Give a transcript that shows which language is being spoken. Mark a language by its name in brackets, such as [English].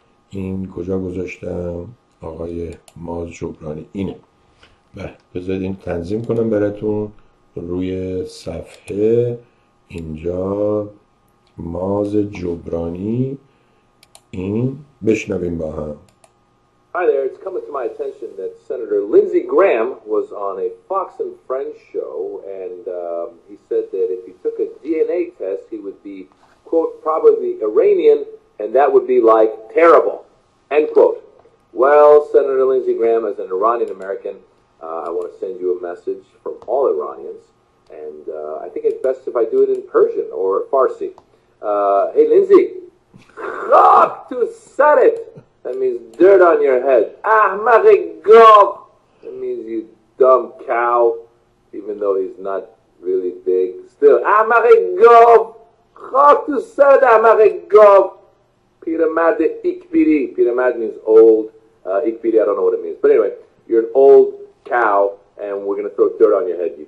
[Persian] این کجا گذاشتم آقای ماز جبرانی؟ اینه، بذارید این تنظیم کنم براتون روی صفحه. اینجا ماز جبرانی، این بشنویم با هم. [English] Hi there, it's coming to my attention that Senator Lindsey Graham was on a Fox and Friends show and he said that if he took a DNA test he would be, quote, probably Iranian and that would be like terrible, end quote. Well, Senator Lindsey Graham, as an Iranian-American, I want to send you a message from all Iranians and I think it's best if I do it in Persian or Farsi. Hey, [Persian] Lindsey, خاک تو سرت. [English] That means dirt on your head. [Persian] احمق گاو. [English] That means you dumb cow. Even though he's not really big. Still, [Persian] احمق گاو. خاک تو سرد احمق گاو. پیره مرد اکبیری. پیره مرد [English] means old. [Persian] اکبیری, [English] I don't know what it means. But anyway, you're an old cow and we're going to throw dirt on your head.